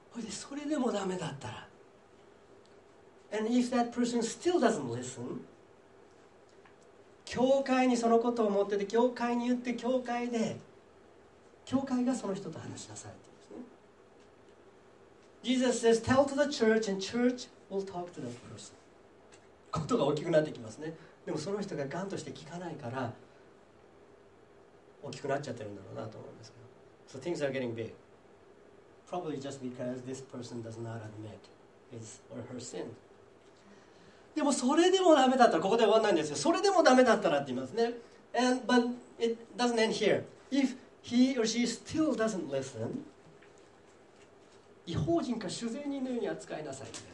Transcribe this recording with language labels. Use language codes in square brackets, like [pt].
[ja] それでもダメだったら、 [en] And if that person still doesn't listen, [ja] 教会にそのことを持ってて、教会に言って、教会で、教会がその人と話しなさいって言うんですね。 [en] Jesus says, tell to the church and church will talk to that person. [ja] ことが大きくなってきますね。でもその人が頑として聞かないから、大きくなっちゃってるんだろうなと思うんですけど。 [en] So things are getting big. Probably just because this person does not admit his or her sin. [ja] でもそれでもダメだったら、ここで終わらないんですよ。それでもダメだったらって言いますね。 [en] And, but it doesn't end here. If he or she still doesn't listen, [ja] 異邦人か主税人のように扱いなさい。